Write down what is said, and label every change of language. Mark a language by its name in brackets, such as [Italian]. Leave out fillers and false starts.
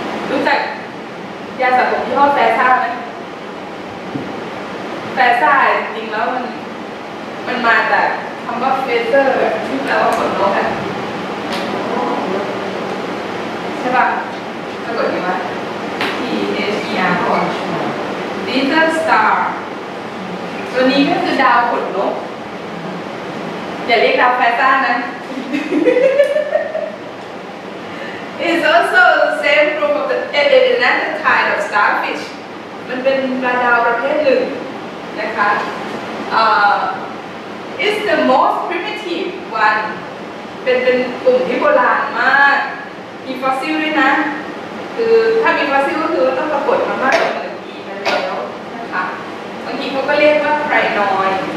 [Thai] รู้จักยาสระผมที่ห้องแฟร์ซ่าไหมแฟร์ซ่าจริงแล้วมันมาจากคำว่าเฟเธอร์ที่แปลว่าขนนกใช่ป่ะสะกดดีไหมทีเอชยาของดีเตอร์สตาร์ ตัวนี้ก็คือดาวขนนกอย่าเรียกดาวแฟต้านะ [English] It's also the same group of the another kind of starfish. It's the most primitive one. [Thai] เป็นกลุ่มที่โบราณมากมีฟอสซิลด้วยนะ คือถ้ามีฟอสซิลก็คือต้องปรากฏมามากกว่าหนึ่งปีไปแล้วนะคะ บางทีเขาก็เรียกว่าไครนอย